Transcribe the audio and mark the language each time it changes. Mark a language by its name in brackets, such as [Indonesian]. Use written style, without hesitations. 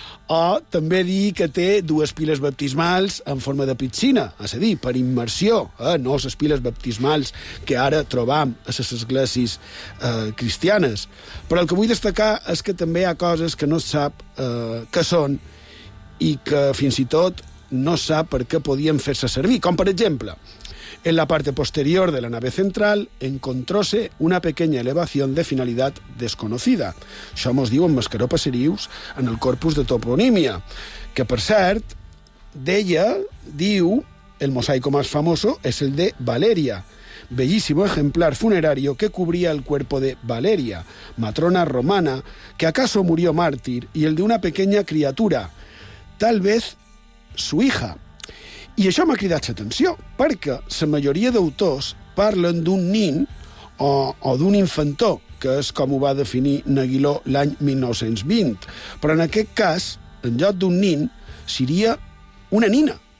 [Catalan] O també dir que té dues piles baptismals en forma de piscina, és a dir, per immersió, no les piles baptismals que ara trobam a les esglésies cristianes. Però el que vull destacar és que també hi ha coses que no sap què són i que fins i tot no sap per què podien fer-se servir, com per exemple... [Spanish] En la parte posterior de la nave central encontróse una pequeña elevación de finalidad desconocida. [Catalan] Això mos diu en Mascaró Passerius en el corpus de toponímia, que, per cert, d'ella diu [Spanish] el mosaico más famoso es el de Valeria, bellísimo ejemplar funerario que cubría el cuerpo de Valeria, matrona romana, que acaso murió mártir, y el de una pequeña criatura, tal vez su hija. [Catalan] I això m'ha cridat l'atenció, perquè la majoria d'autors parlen d'un nin o d'un infantó, que és com ho va definir Naguiló l'any 1920. Però en aquest cas, en lloc d'un nin, seria una nina.